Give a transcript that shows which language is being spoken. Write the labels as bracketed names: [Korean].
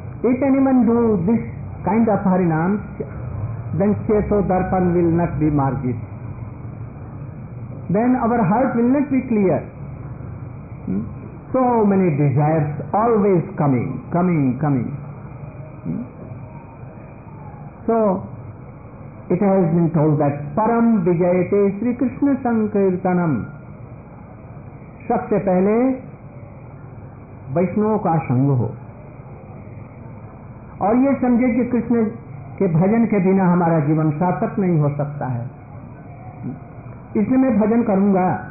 [English] If any one do this kind of Hari naam then cheto darpan will not be marjit, then our heart will not be clear. So many desires always coming. So, it has been told that [Sanskrit] param vijayate Sri Krishna Sankirtanam. [Hindi] सबसे पहले वैष्णवों का संग हो और ये समझे कि कृष्ण के भजन के बिना हमारा जीवन सार्थक नहीं हो सकता है, इसलिए मैं भजन करूंगा।